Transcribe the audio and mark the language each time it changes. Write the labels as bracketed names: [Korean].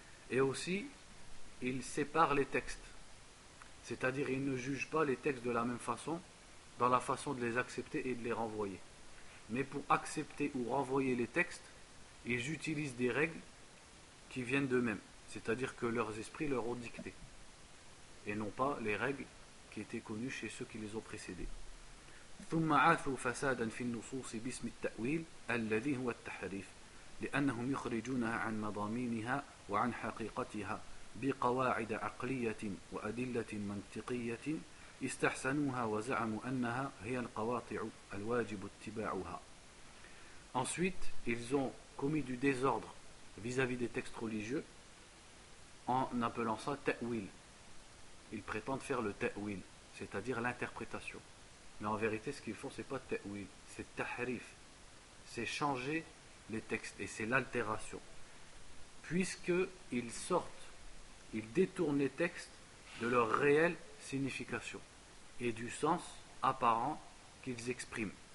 [French] Et aussi, ils séparent les textes. C'est-à-dire, ils ne jugent pas les textes de la même façon, dans la façon de les accepter et de les renvoyer. Mais pour accepter ou renvoyer les textes, ils utilisent des règles qui viennent d'eux-mêmes. C'est-à-dire que leurs esprits leur ont dicté. Et non pas les règles qui étaient connues chez ceux qui les ont précédés. [Arabic] ثم عاثوا فسادا في النصوص باسم التأويل الذي هو التحريف لأنهم يخرجونها عن مضامينها وعن حقيقتها بقواعد عقلية وأدلة منطقية استحسنوها وزعموا أنها هي القواطع الواجب اتباعها. [French] Ensuite, ils ont commis du désordre vis-à-vis des textes religieux en appelant ça ta'wil. Ils prétendent faire le ta'wil, c'est-à-dire l'interprétation. Mais en vérité, ce qu'ils font, c'est pas ta'wil, c'est tahrif. C'est changer les textes et c'est l'altération. Puisqu'ils sortent, ils détournent les textes de leur réelle signification et du sens apparent qu'ils expriment.